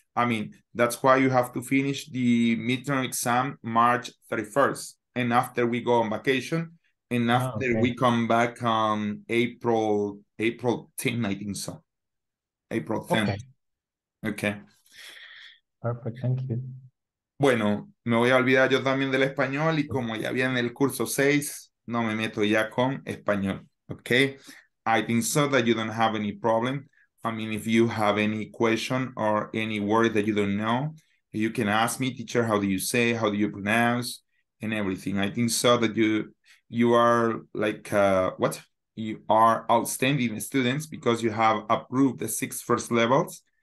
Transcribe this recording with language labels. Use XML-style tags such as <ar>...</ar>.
<en>I mean, that's why you have to finish the midterm exam March 31st. And after we go on vacation, and after we come back on April 10th, I think so. April 10th. Okay. Perfect, thank you.</en> <es>Bueno, me voy a olvidar yo también del español y como ya viene el curso 6, no me meto ya con español.</es> <en>Okay. I think so that you don't have any problem. I mean, if you have any question or any word that you don't know, you can ask me, teacher, how do you say, how do you pronounce, and everything. I think so that you are like, what? You are outstanding students because you have approved the 6 first levels.</en>